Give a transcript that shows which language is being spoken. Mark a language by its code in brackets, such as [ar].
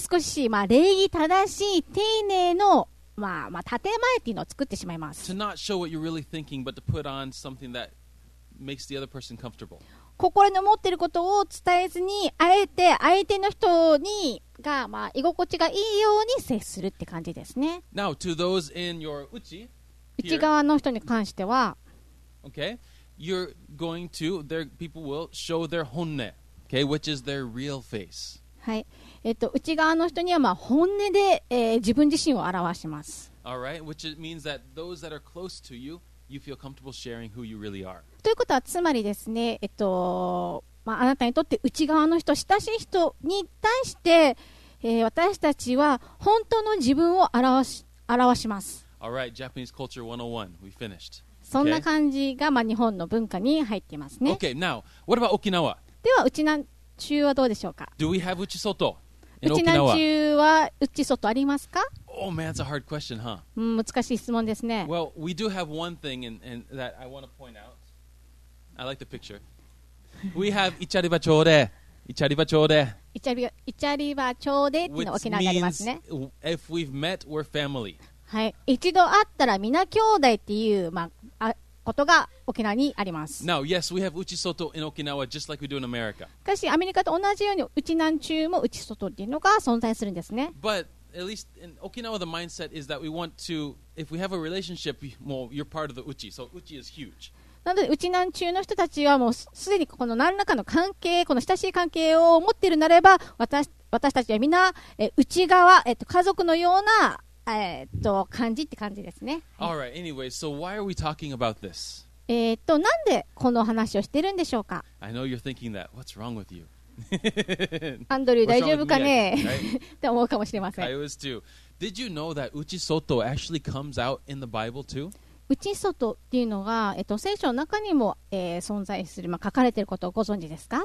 [ja] 少し、礼儀正しい丁寧の、建前というのを作ってしまいます。 [en] To not show what you're really thinking, but to put on something that makes the other person comfortable. [ja] 心の持っていることを伝えずに、あえて相手の人に、が、居心地がいいように接するって感じですね。 [en] Now, to those in your [ja] 内側の人に関しては、 [en] okay. You're going to, their people will show their 本音、okay. which is their real face. [ja] はい。内側の人には、本音で、自分自身を表します。 [en] All right. Which means that those that are close to you, you feel comfortable sharing who you really are. [ja] ということは、つまりですね、あなたにとって内側の人、親しい人に対して、私たちは本当の自分を表します。 [en] All right, Japanese culture 101. We finished. [ja] そんな感じが、まあ、日本の文化に入ってますね。 [en] Okay, now, what about Okinawa? [ja] では、うちなん中はどうでしょうか? [en] Do we have Uchisoto [ja] in Okinawa? うちなん中はうちそとありますか? [en] Oh man, that's a hard question, huh? [ja] 難しい質問ですね。 [en] Well, we do have one thing and that I want to point out. I like the picture. We have イチャリバチョーデ。イチャリバチョーデ。 [ja] イチャリバチョーデっていうの沖縄がありますね。 [en] Which means, if we've met, we're family. [ja] はい、一度会ったらみな兄弟っていう、まあ、ことが沖縄にあります。 [en] Now, yes, we have Uchisoto in Okinawa just like we do in America. [ja] しかし、アメリカと同じように、うちなん中もうちそとっていうのが存在するんですね。 [en] But at least in Okinawa, the mindset is that we want to, if we have a relationship, well, you're part of the Uchi, so Uchi is huge. [ja] なので、うちなん中の人たちはもうすでにこの何らかの関係、この親しい関係を持っているならば、私たちはみな、内側、家族のような感じって感じですね。 [en] All right. Anyway, so why are we talking about this? [ja] なんでこの話をしてるんでしょうか? [en] I know you're thinking that. What's wrong with you? [ja] アンドリュー大丈夫かね?って思うかもしれません。 [en] I was too. Did you know that Uchisoto actually comes out in the Bible too? [ja] Uchisoto っていうのが、聖書の中にも、存在する、まあ、書かれていることをご存知ですか?